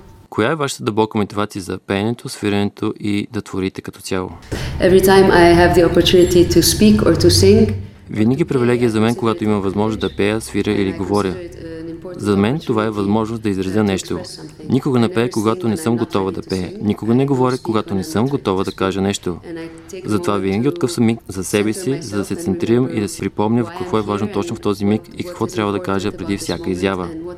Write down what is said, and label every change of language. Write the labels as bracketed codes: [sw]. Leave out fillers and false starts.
[bg] Коя е вашата дълбока мотивация за пеенето, свиренето и да творите като цяло? [en] Every time I have the opportunity to speak or to sing. [bg] Винаги привилегия за мен, когато имам възможност да пея, свиря или говоря. За мен това е възможност да изразя нещо. Никога не пея, когато не съм готова да пея. Никога не говоря, когато не съм готова да кажа нещо. Затова винаги откъсвам миг за себе си, за да се центрирам и да си припомня в какво е важно точно в този миг и какво трябва да кажа преди всяка изява.